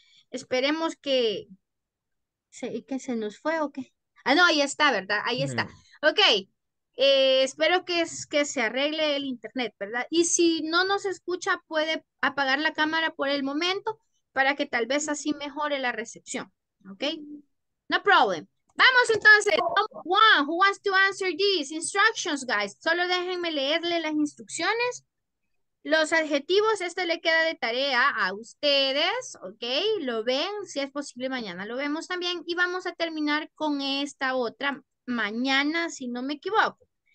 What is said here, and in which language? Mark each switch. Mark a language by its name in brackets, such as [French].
[Spanish] Esperemos que se nos fue o qué. Ah, no, ahí está, ¿verdad? Ahí está. Ok, espero que se arregle el internet, ¿verdad? Y si no nos escucha, puede apagar la cámara por el momento para que tal vez así mejore la recepción. [English] Ok, no problem. [Spanish] Vamos entonces, [English] one, who wants to answer these instructions, guys. [Spanish] Solo déjenme leerle las instrucciones. Los adjetivos, este le queda de tarea a ustedes, ¿ok? Lo ven, si es posible mañana lo vemos también. Y vamos a terminar con esta otra mañana, si no me equivoco.